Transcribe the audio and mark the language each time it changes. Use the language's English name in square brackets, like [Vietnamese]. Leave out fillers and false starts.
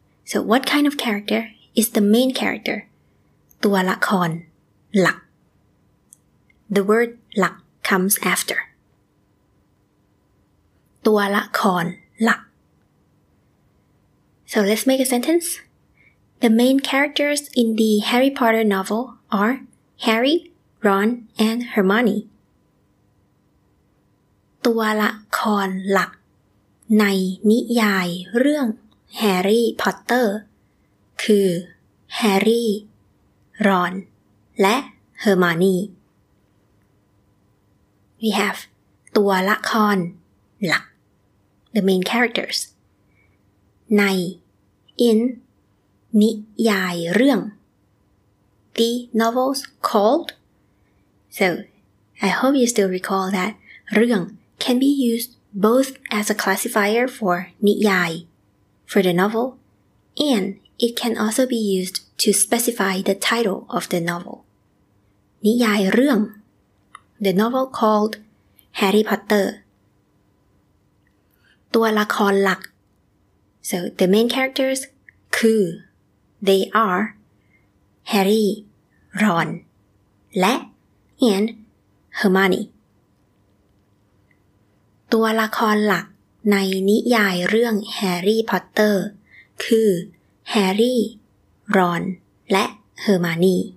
[English] So what kind of character is the main character? [Thai] ตัวละครหลัก [English] The word หลัก comes after. [Thai] ตัวละครหลัก [English] So let's make a sentence. The main characters in the Harry Potter novel are Harry, Ron, and Hermione. [Thai] ตัวละครหลักในนิยายเรื่อง Harry Potter คือ Harry, Ron, และ Hermione. [English] We have [Thai] ตัวละครหลัก [English] The main characters. [Thai] ใน in. นิยายเรื่อง [English] The novels called So, I hope you still recall that เรื่อง can be used both as a classifier for นิยาย for the novel and it can also be used to specify the title of the novel [Thai] นิยายเรื่อง [English] The novel called Harry Potter [Thai] ตัวละครหลัก [English] So, the main characters คือ They are Harry, Ron, [Thai] และ [English] and [Thai] Hermione ตัวละครหลักในนิยายเรื่องแฮร์รี่พอตเตอร์คือแฮร์รี่รอนและเฮอร์มานี